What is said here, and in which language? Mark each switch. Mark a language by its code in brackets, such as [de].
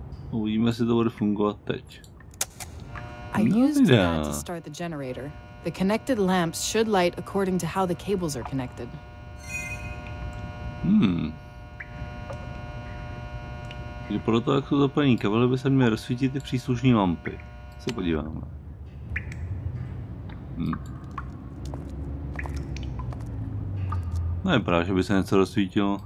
[cs] Uvidíme, jestli to bude fungovat teď. [en] I used that to start the generator. The connected lamps should light according to how the cables are connected. [cs] Takže podle toho, jak jsou zapojení kabely, by se měly rozsvítit ty příslušné lampy. Se podíváme. No je právě, že by se něco rozsvítilo.